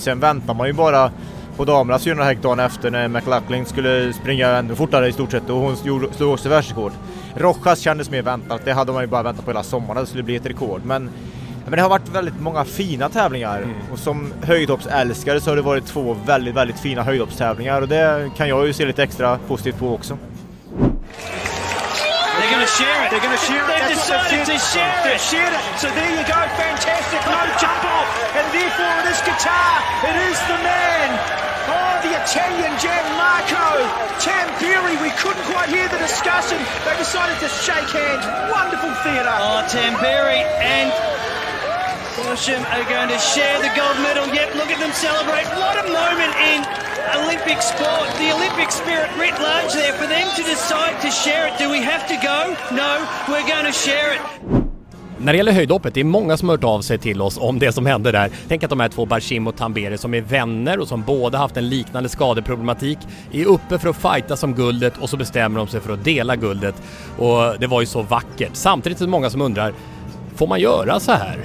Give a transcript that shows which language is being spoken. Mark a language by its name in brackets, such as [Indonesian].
[Swedish] Sen väntar man ju bara på damernas 400 häck dagen efter, när McLaughlin skulle springa ännu fortare i stort sett, och hon slog också världsrekord. Rojas kändes mer väntat, det hade man ju bara väntat på hela sommaren, det skulle bli ett rekord. Men det har varit väldigt många fina tävlingar, och som höjdhoppsälskare så har det varit 2 väldigt, väldigt fina höjdhoppstävlingar, och det kan jag ju se lite extra positivt på också. [English] They're gonna share it, they're gonna share it. They decided to share it. So there you go, fantastic, no jump off. And therefore it is Qatar, it is the man. Oh, the Italian Gianmarco Tamberi, we couldn't quite hear the discussion. They decided to shake hands, wonderful theatre. Oh, Tamberi and Borsham are going to share the gold medal. Yep, look at them celebrate. What a moment in Olympic sport. The Olympic spirit writ large there for them to decide to share it. Do we have to go? No, we're going to share it. [Swedish] När det gäller höjdhoppet, det är många som hört av sig till oss om det som hände där. Tänk att de här 2, Borsham och Tamberi, som är vänner och som båda haft en liknande skadeproblematik, är uppe för att fighta som guldet, och så bestämmer de sig för att dela guldet. Och det var ju så vackert. Samtidigt är det många som undrar, Får man göra så här?